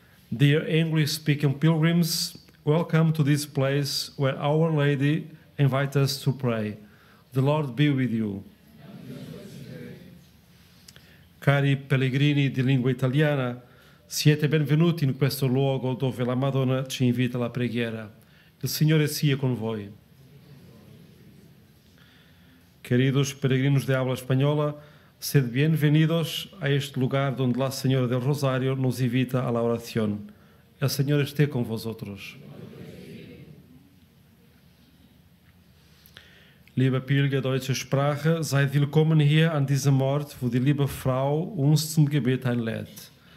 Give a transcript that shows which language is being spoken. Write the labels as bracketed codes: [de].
[en] Dear English-speaking pilgrims, welcome to this place where Our Lady invites us to pray. The Lord be with you. [it] Cari pellegrini di lingua italiana, siete benvenuti in questo luogo dove la Madonna ci invita alla preghiera. Il Signore sia con voi. [es] Queridos peregrinos de habla española, sed bienvenidos a este lugar donde la Señora del Rosario nos invita a la oración. El Señor esté con vosotros. [de] Liebe Pilger deutsche Sprache, seid willkommen hier an diesem Ort, wo die liebe Frau uns zum Gebet einlädt.